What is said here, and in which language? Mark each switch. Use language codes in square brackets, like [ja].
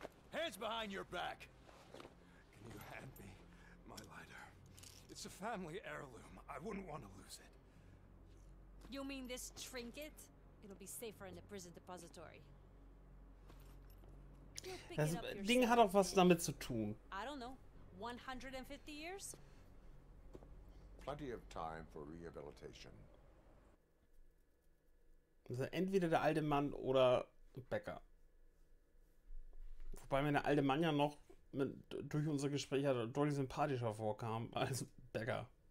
[en] Hands behind your back. Can you hand me my lighter? It's a family heirloom. I wouldn't want to lose it. You mean this trinket? It'll be safer in the prison depository. [de] Das Ding hat auch was damit zu tun. [en] I don't know. 150 years? Plenty of time for rehabilitation. [de] Also entweder der alte Mann oder Becker. Wobei mir der alte Mann ja noch durch unser Gespräch ja deutlich sympathischer vorkam als Becker.